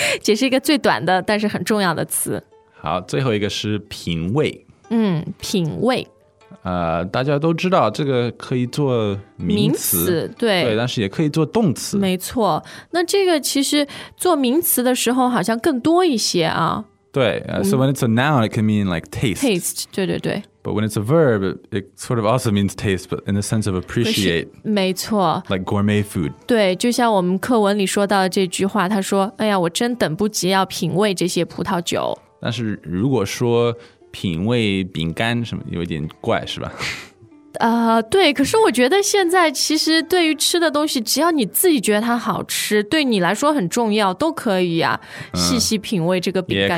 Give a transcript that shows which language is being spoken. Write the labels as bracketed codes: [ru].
[zh] 解释一个最短的但是很重要的词。好，最后一个是品味。嗯，品味。大家都知道这个可以做名词。名词，对。对，但是也可以做动词。没错。那这个其实做名词的时候好像更多一些啊。对。 [en] So when it's a noun, it can mean like taste. [zh] Taste, 对对对。 [en] But when it's a verb, it sort of also means taste, but in the sense of appreciate. [zh] 没错。 [en] Like gourmet food. [zh] 对，就像我们课文里说到的这句话，他说，哎呀，我真等不及要品味这些葡萄酒。但是如果说品味饼干什么，有点怪，是吧？对，可是我觉得现在其实对于吃的东西，只要你自己觉得它好吃，对你来说很重要，都可以啊，细细品味这个饼干。